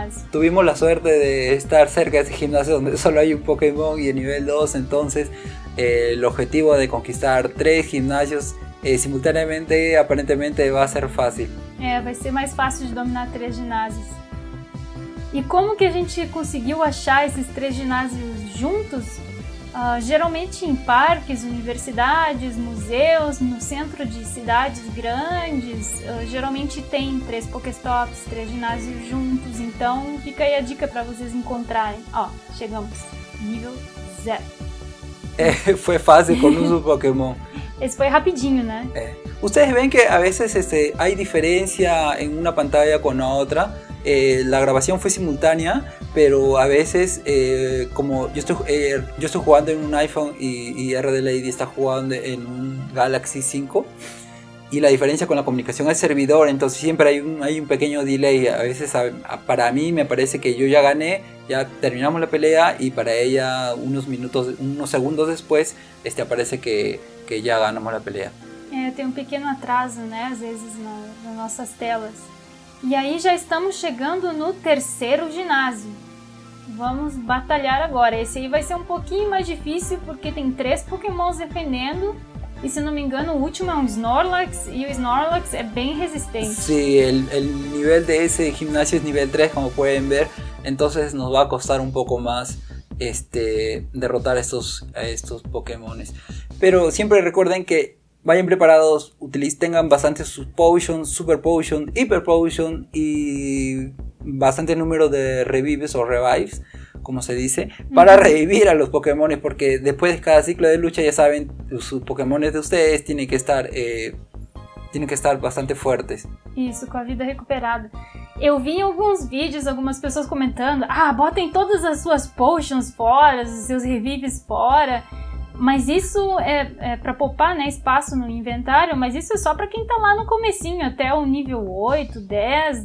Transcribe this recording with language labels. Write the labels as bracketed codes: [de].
[es] Tuvimos la suerte de estar cerca de ese gimnasio donde solo hay un Pokémon y el nivel 2, entonces el objetivo de conquistar 3 gimnasios simultáneamente aparentemente va a ser fácil. Va a ser más fácil de dominar 3 gimnasios. ¿Y cómo que [pt] a gente conseguiu achar [es] esos 3 gimnasios juntos? [pt] Geralmente [es] en parques, universidades, museos, [pt] no centro de cidades grandes, geralmente tem 3 Pokéstops, 3 ginásios juntos, então fica aí a dica para vocês encontrarem. Ó, chegamos, nível 0. Foi fácil com um Pokémon. Esse foi rapidinho, né? [es] Ustedes ven que a veces [pt] há diferença em uma pantalla com a outra. [es] La grabación fue simultánea, pero a veces, como yo estoy jugando en un iPhone y RDLAD está jugando en un Galaxy 5, y la diferencia con la comunicación al servidor, entonces siempre hay un pequeño delay. A veces para mí me parece que yo ya gané, ya terminamos la pelea, y para ella unos segundos después aparece que ya ganamos la pelea. Tem un pequeño atraso, ¿no? A veces en nuestras telas. [pt] E aí já estamos chegando no terceiro ginásio. Vamos batalhar agora. Esse aí vai ser um pouquinho mais difícil porque tem 3 pokémons defendendo. E se não me engano, o último é um Snorlax. E o Snorlax é bem resistente. Sim, o nível desse ginásio é nível 3, como podem ver. Então nos vai custar um pouco mais derrotar estos pokémons. [es] Mas sempre recuerden que vayan preparados, tengan bastante sus potions, super potion, hiper potion y bastante número de revives o revives, como se dice, para revivir a los Pokémon, porque después de cada ciclo de lucha ya saben, sus Pokémon de ustedes tienen que estar bastante fuertes. [pt] Isso, com a vida recuperada. Eu vi alguns vídeos, algumas pessoas comentando: ah, botem todas as suas potions fora, os seus revives fora. Mas isso é para poupar, né, espaço no inventário, mas isso é só para quem está lá no comecinho, até o nível 8, 10.